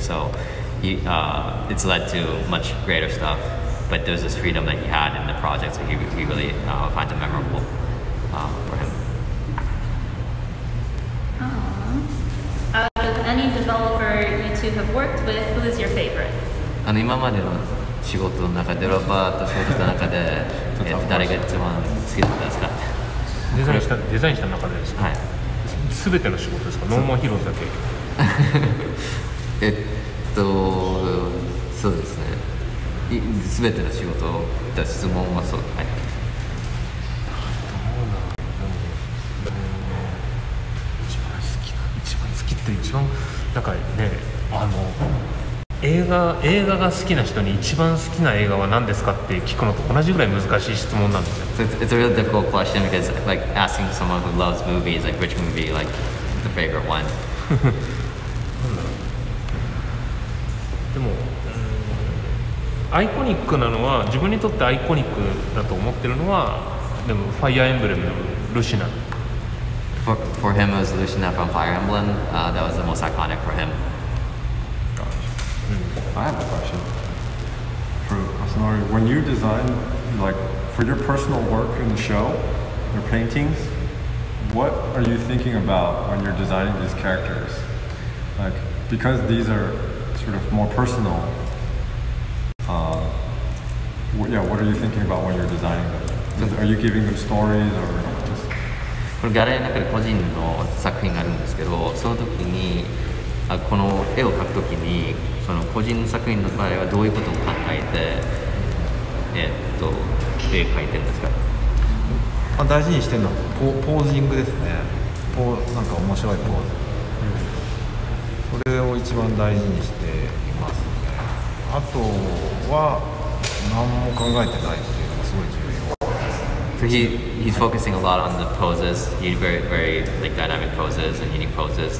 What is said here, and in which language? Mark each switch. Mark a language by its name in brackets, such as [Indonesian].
[English] So he, it's led to much greater stuff, but there's this freedom that he had in the project, so he really finds it memorable for him. Out of any developer you two have worked with, who is your favorite? [Japanese] あの、今までの仕事の中で、デベロッパーと仕事の中で、誰が一番好きだったんですか？デザインした中でですか？はい。全ての仕事ですか？ノーマンヒローズだけ。そうですね。全ての仕事を言った質問はそう。はい。一番なんかね、あの映画が好きな人に一番好きな映画は何ですかって聞くのと同じぐらい難しい質問なんですよ。 [English] It's a really difficult question because like asking someone who loves movies, like which movie like the favorite one. [Japanese] でもアイコニックなのは自分にとってアイコニックだと思ってるのはでもファイアーエンブレムのルシナ。 [English] For him, it was Lucina from Fire Emblem. That was the most iconic for him. Gosh. I have a question. For Masanori, when you design, like, for your personal work in the show, your paintings, what are you thinking about when you're designing these characters? Like, because these are sort of more personal, what are you thinking about when you're designing them? Are you giving them stories or... [Japanese] これギャラリーの中で個人の作品があるんですけど、その時にこの絵を描く時にその個人の作品の場合はどういうことを考えて、絵を描いてるんですか？まあ、大事にしてるのは ポージングですね。なんか面白いポーズ、それを一番大事にしていますね。あとは何も考えてないっていうのがすごい重要。 [English] So he's focusing a lot on the poses. He's very, very like dynamic poses and unique poses.